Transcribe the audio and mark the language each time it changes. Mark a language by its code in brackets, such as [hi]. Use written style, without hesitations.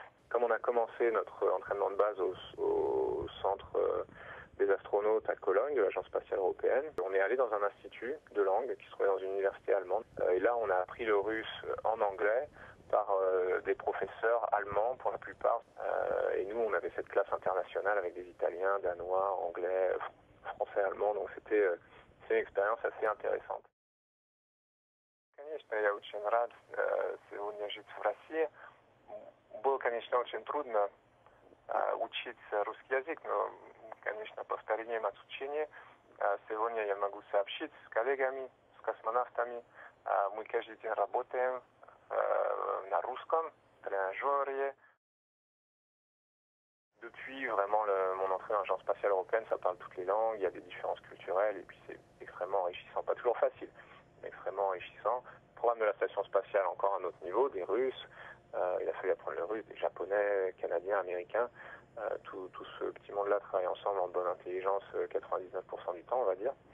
[fr] Comme on a commencé notre entraînement de base au centre des astronautes à Cologne, de l'Agence spatiale européenne, on est allé dans un institut de langue qui se trouvait dans une université allemande. Et là, on a appris le russe en anglais par des professeurs allemands pour la plupart. Et nous, on avait cette classe internationale avec des Italiens, Danois, Anglais, Français, Allemands. Donc c'est une expérience assez intéressante. [ru] Конечно, я очень рад сегодня жить в России. Было, конечно, очень трудно учить русский язык, но, конечно, по старинным отучениям сегодня я могу сообщить с коллегами, с космонавтами. Мы каждый день работаем на русском, тренажере. [fr] Depuis vraiment mon entrée en agence spatiale européenne, ça parle toutes les langues, il y a des différences culturelles et puis c'est extrêmement enrichissant. Pas toujours facile, mais extrêmement enrichissant. Le programme de la station spatiale, encore un autre niveau, des Russes. Il a fallu apprendre le russe, des Japonais, Canadiens, Américains. Tout ce petit monde-là travaille ensemble en bonne intelligence 99% du temps, on va dire.